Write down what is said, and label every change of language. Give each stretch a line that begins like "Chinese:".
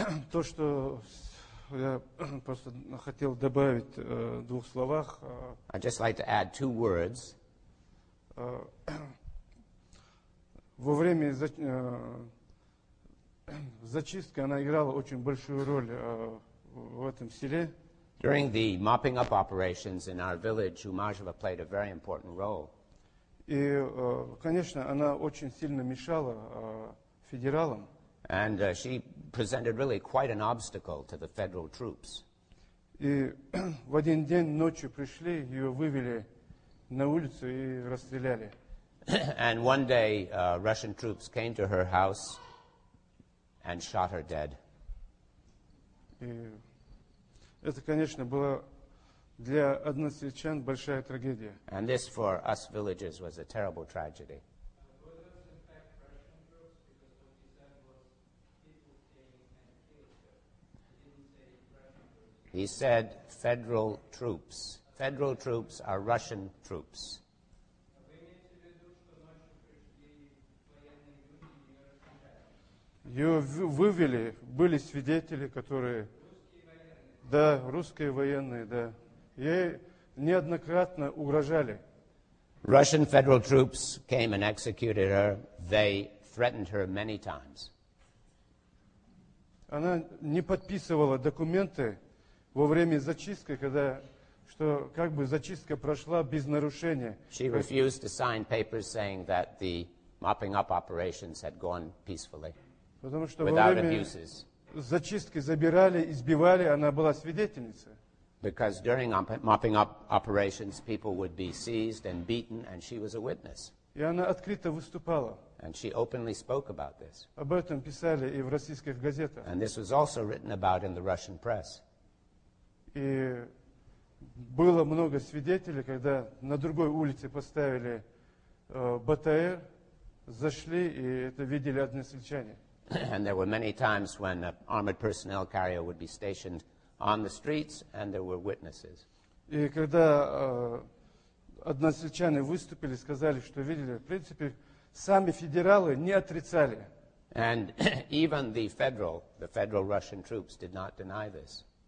Russian: То, что я просто хотел добавить в двух словах.
English: I'd just like to add two words.
Russian: Во время зачистки она играла очень большую роль в этом селе.
English: During the mopping up operations in our village, Umajova played a very important role.
Russian: И, конечно, она очень сильно мешала федералам.
English: And she presented really quite an obstacle to the federal troops.
Russian: И в один день ночью пришли, ее вывели на улицу и расстреляли.
English: And one day, Russian troops came to her house and shot her dead.
Russian: И это, конечно, было для односельчан большая трагедия.
English: And this for us villagers was a terrible tragedy. He said federal troops. Federal troops are Russian troops.
Russian: Ее вывели, были свидетели, которые... Да, русские военные, да. Ей неоднократно угрожали.
English: Russian federal troops came and executed her. They threatened her many times.
Russian: Она не подписывала документы во время зачистки, когда, что как бы зачистка прошла без нарушения.
English: She refused to sign papers saying that the mopping up operations had gone peacefully.
Russian: Потому что во время...
English: abuses.
Russian: Зачистки забирали, избивали, она была свидетельницей.
English: Because during mopping up operations, people would be seized and beaten, and she was a witness.
Russian: И она открыто выступала.
English: And she openly spoke about this.
Russian: Об этом писали и в российских газетах.
English: And this was also written about in the Russian press.
Russian: И было много свидетелей, когда на другой улице поставили БТР, зашли, и это видели односельчане.
English: And there were many times when an armored personnel carrier would be stationed on the streets, and there were witnesses.
Russian: И когда односельчане выступили, сказали, что видели, в принципе, сами федералы не отрицали.
English: And even the federal Russian troops did not deny this.